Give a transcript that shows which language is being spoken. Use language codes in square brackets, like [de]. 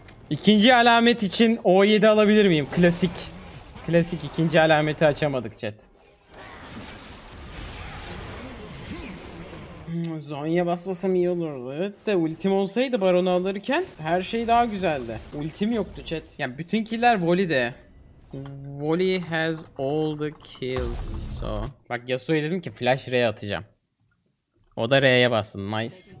[tr] İkinci alamet için O7 alabilir miyim? Klasik. Klasik ikinci alameti açamadık chat. Zonya basmasam iyi olurdu. Evet de ultim olsaydı Baron'u alırken her şey daha güzeldi. Ultim yoktu chat. Yani bütün killer Voli'de. [en] Voli has all the kills so. [tr] Bak Yasuo'ya dedim ki flash R'ye atacağım. O da R'ye bastı. Nice.